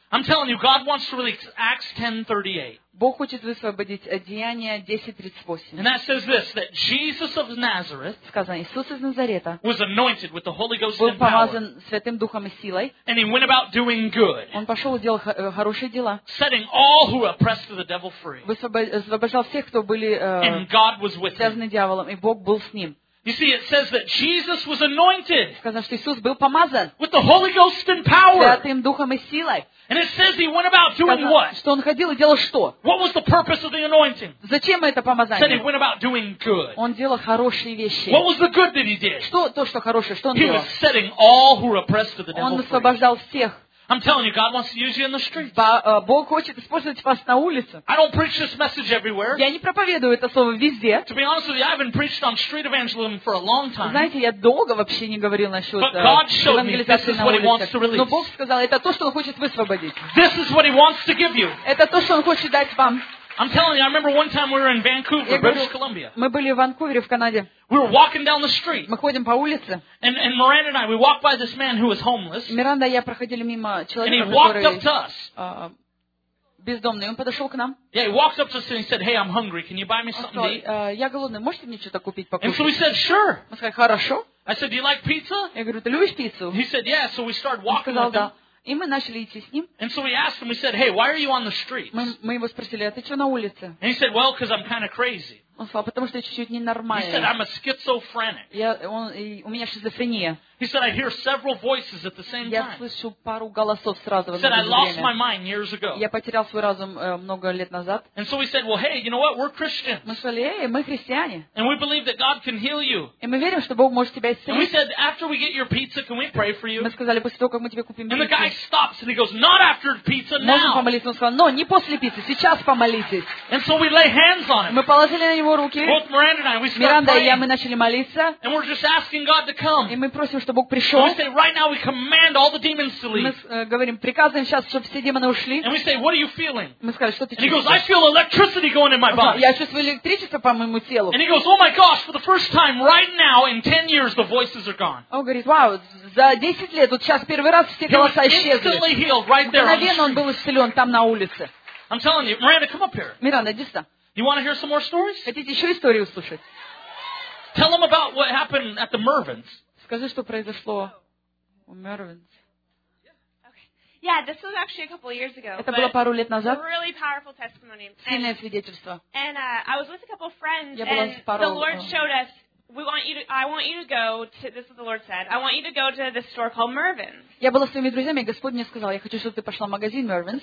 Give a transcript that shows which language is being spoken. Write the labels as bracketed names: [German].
[English] I'm telling you, God wants to release Acts 10:38. [Russian] Бог хочет высвободить Деяния 10:38. [English] And that says this, that Jesus of Nazareth, [Russian] сказано, Иисус из Назарета, [English] was anointed with the Holy Ghost [Russian] был помазан Святым Духом и силой, [English] and he went about doing good, [Russian] он пошел и делал хорошие дела, [English] setting all who were oppressed of the devil free, [Russian] высвобождал всех, кто были [English] and God was with [Russian] связаны [English] him. [Russian] Дьяволом, и Бог был с ним. [English] You see, it says that Jesus was anointed, [Russian] сказано, что Иисус был помазан, [English] with the Holy Ghost and power, [Russian] Святым Духом и силой. [English] And it says he went about doing what? [Russian] Что он ходил и делал что? [English] What was the purpose of the anointing? [Russian] Зачем это помазание? [English] Said he went about doing good. [Russian] Он делал хорошие вещи. [English] What was the good that he did? [Russian] Что то, что хорошее, что он [English] he [Russian] делал? [English] He was setting all who were oppressed of the devil free. [Russian] Он освобождал всех. [English] I'm telling you, God wants to use you in the streets. [Russian] Бог хочет использовать вас на улице. [English] I don't preach this message everywhere. [Russian] Я не проповедую это слово везде. [English] To be honest with you, I haven't preached on street evangelism for a long time. [Russian] Знаете, я долго вообще не говорил насчет евангелизации на улице. Но Бог сказал, это то, что Он хочет высвободить. [English] This is what He wants to give you. [Russian] Это то, что Он хочет дать вам. [English] I'm telling you, I remember one time we were in Vancouver, [Russian] говорю, [English] British Columbia. [Russian] Мы были в Ванкувере, в Канаде. [English] We were walking down the street. [Russian] Мы ходим по улице. [English] And Miranda and I, we walked by this man who was homeless. [Russian] Миранда и я проходили мимо человека, [English] and he walked up to us. [Russian] Бездомный, он подошел к нам. [English] Yeah, he walked up to us and he said, "Hey, I'm hungry. Can you buy me something to eat?" [Russian] Я голодный, можете мне что-то купить, покушать? [English] And so we said, "Sure." [Russian] Мы сказали, хорошо. [English] I said, "Do you like pizza?" [Russian] Я говорю, ты любишь пиццу? [English] He said, "Yeah." So we started walking. [Russian] Он сказал, [English] with him. [Russian] Да. И мы начали идти с ним. [English] And so we asked him, we said, "Hey, why are you on the streets?" [Russian] Мы его спросили, а ты что на улице? [English] And he said, "Well, because I'm kind of crazy." [Russian] Он сказал, потому что я чуть-чуть ненормальный. [English] He said, "I'm a schizophrenic." [Russian] У меня шизофрения. [English] He said, "I hear several voices at the same time." [Russian] Я слышу пару голосов сразу. [English] He said, "I lost my mind years ago." [Russian] Я потерял свой разум много лет назад. [English] And so we said, "Well, hey, you know what? We're Christians." [Russian] Мы сказали, эй, мы христиане. [English] And we believe that God can heal you. [Russian] И мы верим, что Бог может тебя исцелить. [English] And we said, "After we get your pizza, can we pray for you?" [Russian] Мы сказали, после того, как мы тебе купим пиццу. [English] And the guy stops and he goes, "Not after pizza, now." [Russian] Можно помолиться, он сказал, но не после пиццы, сейчас помолитесь. [English] And so we lay hands on him. [Russian] Мы положили на него руки. [English] Both Miranda and I, we [Russian] Миранда и я, мы начали молиться. [English] And we're just asking God to come. [Russian] И мы просим, что Бог пришел. [English] And we say, "Right now we command all the demons to leave." [Russian] Мы говорим, приказываем сейчас, чтобы все демоны ушли. [English] And we say, "What are you feeling?" [Russian] Мы сказали, что ты [English] and [Russian] чувствуешь. [English] And he goes, "I feel electricity going in my body." [Russian] Я чувствую электричество по моему телу. [English] And he goes, "Oh my gosh, for the first time right now in 10 years the voices are gone." [Russian] Он говорит, вау, за 10 лет, вот сейчас первый раз все голоса исчезли. [English] Instantly healed right there. [Russian] Мгновенно он был исцелен там на улице. [English] I'm telling you, Miranda, come up here. [Russian] Миранда, иди сюда. [English] You want to hear some more stories? [Russian] Хотите еще истории услышать? [English] Tell them about what happened at the Mervins. [Russian] Скажи, что произошло у Mervins. [English] Yeah, this was actually a couple of years ago. [Russian] Это было пару лет назад. [English] Really powerful testimony. [Russian] Сильное свидетельство. [English] And I was with a couple of friends, and the Lord showed us, I want you to go to. This is what the Lord said. I want you to go to this store called Mervins. [Russian] Я была с своими друзьями, и Господь мне сказал, я хочу, чтобы ты пошла в магазин Mervins.